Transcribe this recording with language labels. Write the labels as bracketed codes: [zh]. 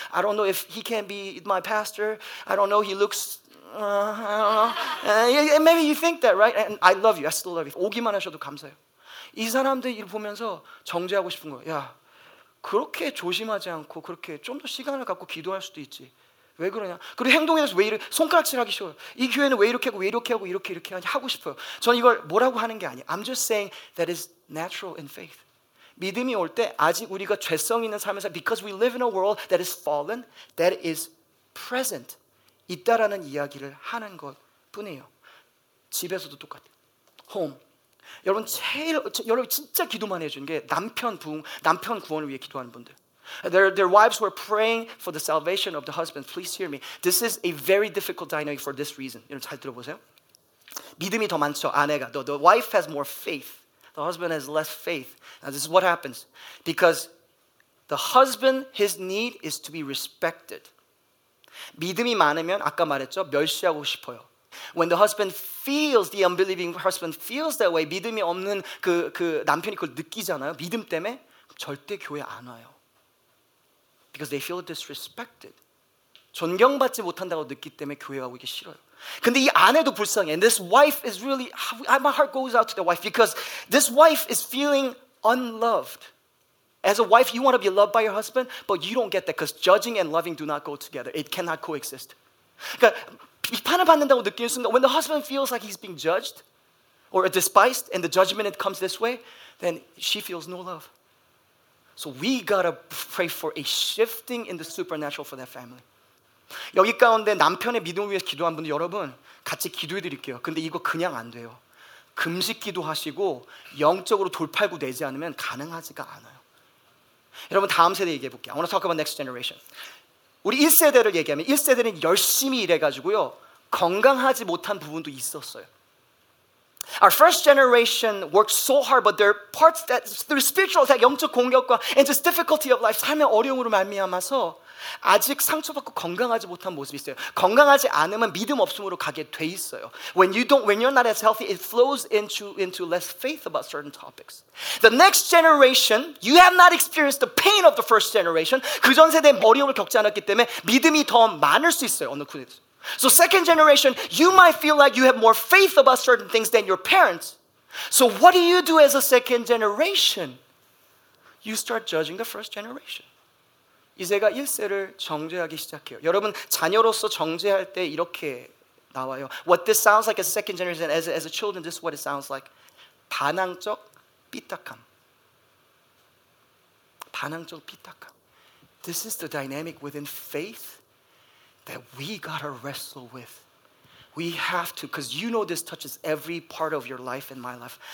[en] I don't know if he can be my pastor. I don't know. He looks, I don't know. And maybe you think that, right? And I love you. I still love you. [ko] 오기만 하셔도 감사해요. 이 사람들 보면서 정죄하고 싶은 거야. 야, 그렇게 조심하지 않고 그렇게 좀 더 시간을 갖고 기도할 수도 있지. 왜 그러냐? 그리고 행동에 대해서 왜 이래? 손가락질하기 쉬워요. 이 교회는 왜 이렇게 하고 왜 이렇게 하고 이렇게 이렇게 하고 싶어요. 저는 이걸 뭐라고 하는 게 아니에요. [en] I'm just saying that is natural in faith. [ko] 믿음이 올 때 아직 우리가 죄성 있는 삶에서 [en] because we live in a world that is fallen, that is present, [ko] 있다라는 이야기를 하는 것뿐이에요. 집에서도 똑같아요. Home. 여러분 제일 여러분 진짜 기도만 해주는 게 남편 구원을 위해 기도하는 분들. [en] Their wives were praying for the salvation of the husband. Please hear me. This is a very difficult dynamic for this reason. [ko] 여러분 잘 들어보세요. 믿음이 더 많죠, 아내가. [en] The wife has more faith. The husband has less faith. Now this is what happens. Because the husband, his need is to be respected. [ko] 믿음이 많으면 아까 말했죠, 멸시하고 싶어요. [en] When the husband feels, the unbelieving husband feels that way, [ko] 믿음이 없는 그 남편이 그걸 느끼잖아요. 믿음 때문에 절대 교회 안 와요. [en] Because they feel disrespected. [ko] 존경받지 못한다고 느끼기 때문에 교회 가고 이게 싫어요. 근데 이 아내도 불쌍해. [en] And this wife is really, my heart goes out to the wife because this wife is feeling unloved. As a wife, you want to be loved by your husband, but you don't get that because judging and loving do not go together. It cannot coexist. [ko] 그러니까 비판을 받는다고 느끼는 순간, [en] when the husband feels like he's being judged or despised and the judgment comes this way, then she feels no love. So we gotta pray for a shifting in the supernatural for that family. [ko] 여기 가운데 남편의 믿음을 위해서 기도한 분들 여러분 같이 기도해 드릴게요. 근데 이거 그냥 안 돼요. 금식 기도하시고 영적으로 돌팔구 내지 않으면 가능하지가 않아요. 여러분 다음 세대 얘기해 볼게요. [en] I wanna talk about next generation. [ko] 우리 1세대를 얘기하면 1세대는 열심히 일해가지고요. 건강하지 못한 부분도 있었어요. [en] Our first generation worked so hard, but there are parts that through spiritual attack, [ko] 영적 공격과 [en] and just difficulty of life, [ko] 삶의 어려움으로 말미암아서 아직 상처받고 건강하지 못한 모습이 있어요. 건강하지 않으면 믿음 없음으로 가게 돼 있어요. [en] When you're not as healthy, it flows into less faith about certain topics. The next generation, you have not experienced the pain of the first generation. [ko] 그 전 세대의 어려움을 겪지 않았기 때문에 믿음이 더 많을 수 있어요. 어느 군에서. [en] So second generation, you might feel like you have more faith about certain things than your parents. So what do you do as a second generation? You start judging the first generation. [ko] 이제가 1세를 정죄하기 시작해요. 여러분, 자녀로서 정죄할 때 이렇게 나와요. [en] What this sounds like as a second generation, as a children, this is what it sounds like. [ko] 반항적 삐딱함. 반항적 삐딱함. [en] This is the dynamic within faith that we gotta wrestle with. We have to, because you know this touches every part of your life and my life.